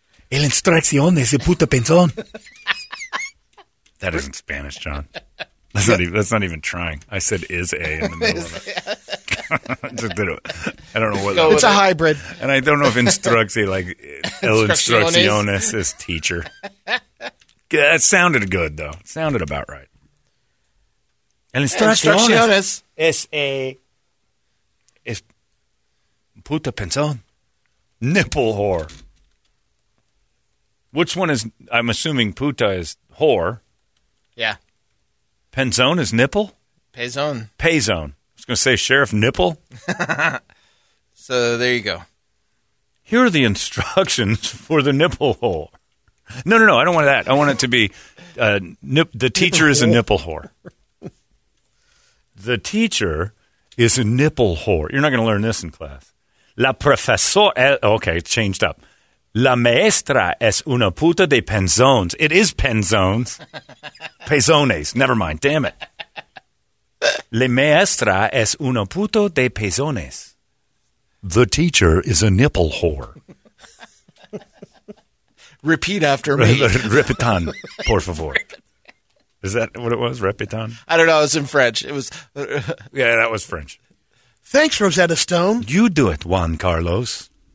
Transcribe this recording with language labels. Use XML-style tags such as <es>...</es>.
<es>El instruccion es el puta pensón.</es> <en>That isn't Spanish, John. That's not even trying. I said is a in the middle of it. Just did it. I don't know what that is. It's a hybrid. And I don't know if instruccion, like el instruccion is teacher. That sounded good, though. It sounded about right.</en> <es>El instruccion es a es puta pensón.</es> <en>Nipple whore. Which one is, I'm assuming puta is whore. Yeah. Penzone is nipple? Payzone. Payzone. I was going to say sheriff nipple. So there you go. Here are the instructions for the nipple whore. No, I don't want that. I want it to be the teacher is a nipple whore. The teacher is a nipple whore. You're not going to learn this in class.</en> <es>La profesor,</es> <en>okay, it's changed up.</en> <es>La maestra es una puta de penzones.</es> <en>It is penzones. Pezones. Never mind. Damn it.</en> <es>La maestra es una puta de pezones.</es> <en>The teacher is a nipple whore. Repeat after me.</en> <es>Repetan, por favor.</es> <en>Is that what it was?</en> <es>Repetan?</es> <en>I don't know. It was in French. It was. Yeah, that was French. Thanks, Rosetta Stone. You do it, Juan Carlos.</en>